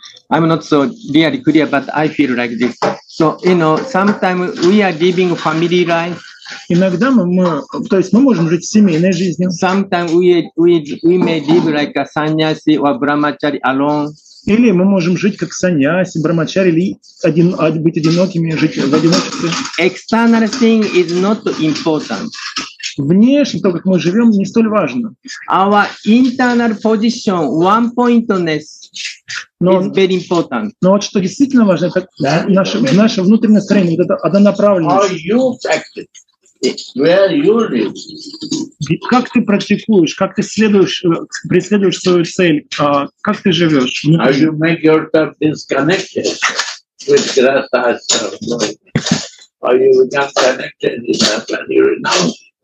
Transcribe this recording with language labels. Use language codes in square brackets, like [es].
[en] I'm not so really clear, but I feel like this. So, you know, sometimes we are living a family life. [ru] Иногда то есть мы можем жить семейной жизнью. [en] Sometimes we may live like a sannyasi or brahmachari alone. [ru] Или мы можем жить как саньяси, брахмачари, или быть одинокими, жить в одиночестве. [en] External thing is not important. [ru] Внешне то, как мы живем, не столь важно. [en] Our internal position, one-pointedness, is very important. [ru] Но вот что действительно важно, это наше внутреннее строение, вот это однонаправленность. [en] Are you practicing? Where you live? [ru] Как ты практикуешь, как ты преследуешь свою цель, как ты живешь? Внутри? [en] Are you make yourself disconnected with grasa self? Are you not connected in that when you renounce?